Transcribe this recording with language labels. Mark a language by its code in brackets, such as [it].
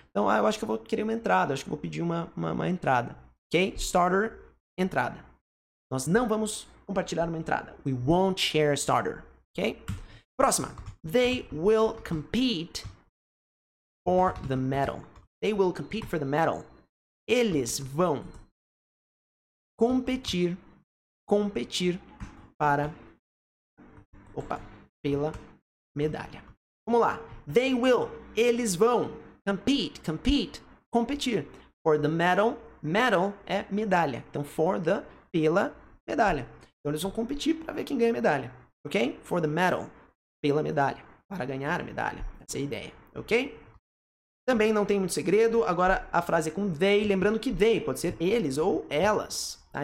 [pt] Então, eu acho que eu vou querer uma entrada. Eu acho que eu vou pedir uma entrada, ok? Starter. Entrada. Nós não vamos compartilhar uma entrada. [en] We won't share a starter. Ok? Próxima. They will compete for the medal. They will compete for the medal. [pt] Eles vão competir, competir para, opa, pela medalha. Vamos lá. [en] They will, [pt] eles vão [en] compete, compete, competir for the medal. [pt] Medal é medalha. Então, for the, pela, medalha. Então, eles vão competir para ver quem ganha a medalha. Ok? [en] For the medal, [pt] pela medalha. Para ganhar a medalha. Essa é a ideia. Ok? Também não tem muito segredo. Agora, a frase é com they. Lembrando que they pode ser eles ou elas. Tá?